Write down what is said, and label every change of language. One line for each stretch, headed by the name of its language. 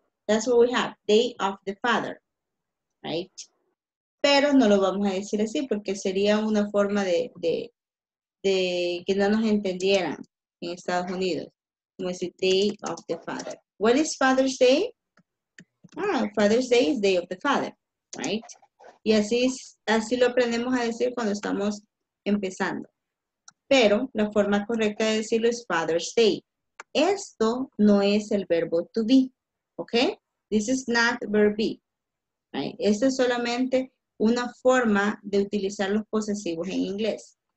English: That's what we have, Day of the Father, right?
Spanish: Pero no lo vamos a decir así porque sería una forma de que no nos entendieran en Estados Unidos. Como es el
English: Day of the Father. What is Father's Day? Ah, Father's Day is Day of the Father, right?
Spanish: Y así, así lo aprendemos a decir cuando estamos empezando. Pero la forma correcta de decirlo es Father's Day. Esto no es el verbo to be, ¿ok?
English: This is not verb be, right?
Spanish: Esto es solamente una forma de utilizar los posesivos en inglés.